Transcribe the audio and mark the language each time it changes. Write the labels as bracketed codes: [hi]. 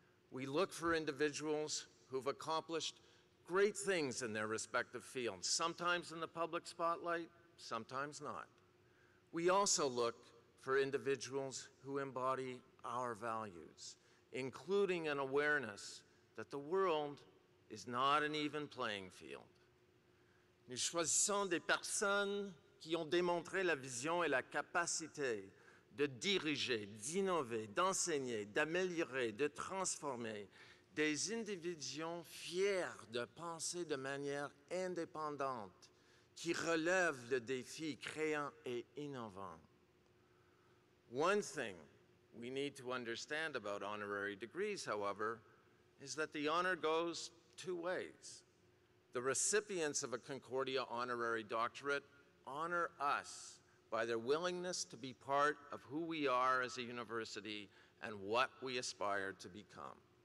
[en] We look for individuals who've accomplished great things in their respective fields, sometimes in the public spotlight, sometimes not. We also look for individuals who embody our values, including an awareness that the world is not an even playing field. [fr] Nous choisissons des personnes qui ont démontré la vision et la capacité de diriger, d'innover, d'enseigner, d'améliorer, de transformer des individus fiers de penser de manière indépendante, qui relèvent le défi créant et innovant. [en] One thing we need to understand about honorary degrees, however, is that the honor goes two ways. The recipients of a Concordia honorary doctorate honor us by their willingness to be part of who we are as a university and what we aspire to become.